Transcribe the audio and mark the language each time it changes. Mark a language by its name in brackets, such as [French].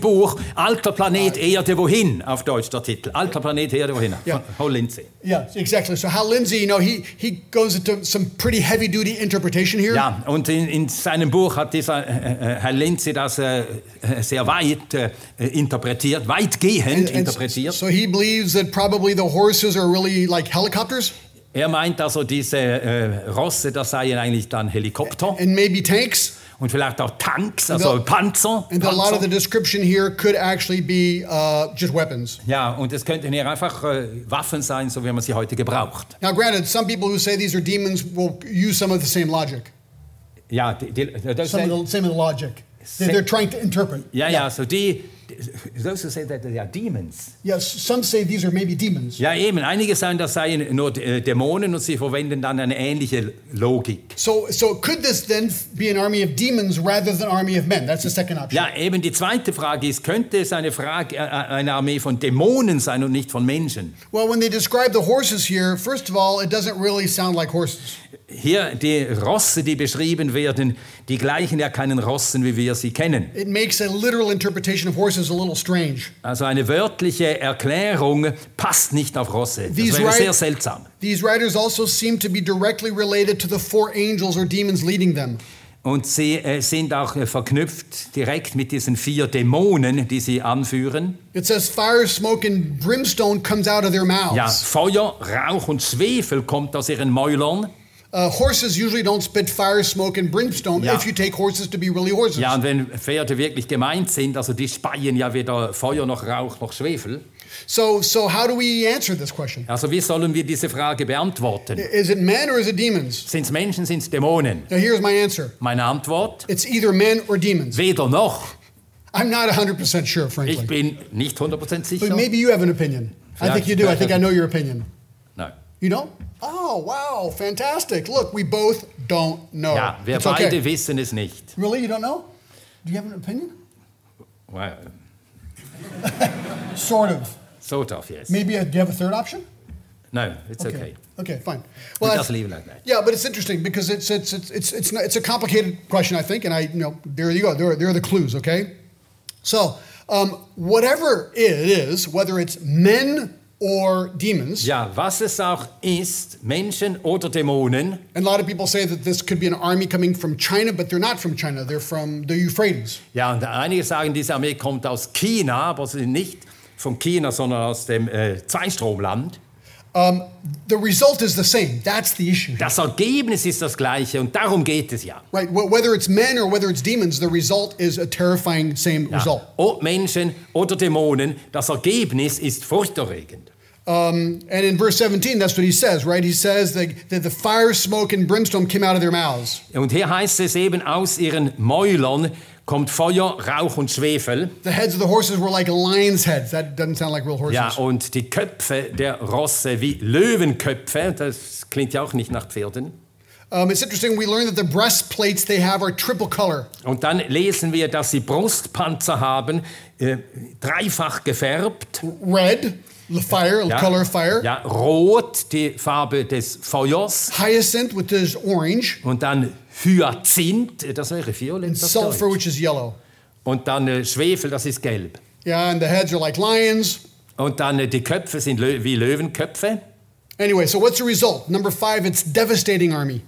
[German] Buch Alter Planet Erde wohin auf Deutsch der Titel. Alter Planet Erde wohin? [English] Yeah. [German] Hal Lindsey. [English] Yeah, exactly. So Hal Lindsey, you know, he goes into some pretty heavy duty interpretation here. [German] Ja, und in seinem Buch hat dieser Hal Lindsey das sehr weit interpretiert, weitgehend interpretiert. [English] So he believes that probably the horses are really like helicopters. [German] Er meint also diese Rosse, das seien eigentlich dann Helikopter. [English] And maybe tanks. [German] Und vielleicht auch Tanks, also Panzer. [English] And a lot of the description here could actually be just weapons. [German] Ja, und es könnten hier einfach Waffen sein, so wie man sie heute gebraucht. [English] Now granted, some people who say these are demons will use some of the same logic. [German] Ja, [English] Some of the same logic. They're trying to interpret. [German] Ja, so die... [English] Those who say that they are demons. Yes, some say these are maybe demons. [German] Ja, eben. Einige sagen, das seien nur Dämonen und sie verwenden dann eine ähnliche Logik. [English] So could this then be an army of demons rather than an army of men? That's the second option. [German] Ja, eben. Die zweite Frage ist, könnte es eine Armee von Dämonen sein und nicht von Menschen? [English] Well, when they describe the horses here, first of all, it doesn't really sound like horses. [German] Hier, die Rosse, die beschrieben werden, die gleichen ja keinen Rossen, wie wir sie kennen. [English] It makes a literal interpretation of horses a little strange. [German] Also eine wörtliche Erklärung passt nicht auf Rosse. Das wäre sehr seltsam. [English] These writers also seem to be directly related to the four angels or demons leading them. [German] Und sie sind auch verknüpft direkt mit diesen vier Dämonen, die sie anführen. [English] It says fire, smoke and brimstone comes out of their mouths. [German] Ja, Feuer, Rauch und Schwefel kommt aus ihren Mäulern. [English] Horses usually don't spit fire, smoke and brimstone if you take horses to be really horses. [German] Ja, und wenn Pferde wirklich gemeint sind, also die speien ja weder Feuer noch Rauch noch Schwefel. [English] So how do we answer this question? [German] Also wie sollen wir diese Frage beantworten? [English] Is it men or is it demons? [German] Sind's Menschen, sind's Dämonen? [English] Now here's my answer. [German] Meine Antwort. [English] It's either men or demons. [German] Weder noch. [English] I'm not 100% sure, frankly. [German] Ich bin nicht 100% sicher. [English] But maybe you have an opinion. [German] Vielleicht, [English] I think you do. I think I know your opinion. No. You don't? Oh, wow, fantastic. Look, we both don't know. [German] Ja, wir [English] It's [German] beide okay. wissen es nicht. [English] Really, you don't know? Do you have an opinion? Well. Sort of. Sort of, yes. Maybe, do you have a third option? No, it's okay. Okay, fine. Well, we just leave it like that. Yeah, but it's interesting because it's a complicated question, I think, and I, you know, there you go. There are the clues, okay? So, whatever it is, whether it's men or demons. [German] Ja, was es auch ist, Menschen oder Dämonen. [English] And a lot of people say that this could be an army coming from China, but they're not from China. They're from the Euphrates. [German] Ja, und einige sagen, diese Armee kommt aus China, aber sie nicht von China, sondern aus dem Zweistromland. [English] The result is the same. That's the issue. [German] Das Ergebnis ist das gleiche und darum geht es ja. [English] Right, whether it's men or whether it's demons, the result is a terrifying same result. [German] Ob Menschen oder Dämonen, das Ergebnis ist furchterregend. [English] And in verse 17, that's what he says, right? He says that the fire, smoke and brimstone came out of their mouths. [German] Und hier heißt es eben, aus ihren Mäulern kommt Feuer, Rauch und Schwefel. [English] The heads of the horses were like lion's heads. That doesn't sound like real horses. [German] Ja, und die Köpfe der Rosse wie Löwenköpfe. Das klingt ja auch nicht nach Pferden. [English] It's interesting, we learn that the breastplates they have are triple color. [German] Und dann lesen wir, dass sie Brustpanzer haben, dreifach gefärbt. [English] Red. The fire, the color of fire. [German] Ja, rot, die Farbe des Feuers. [English] Hyacinth, which is orange. [German] Und dann Hyazinth, das wäre violett. [English] And sulfur, which is yellow. [German] Und dann Schwefel, das ist gelb. [English] Yeah, and the heads are like lions. [German] Und dann die Köpfe sind wie Löwenköpfe. [English] Anyway, so what's the result? Number five, it's devastating army.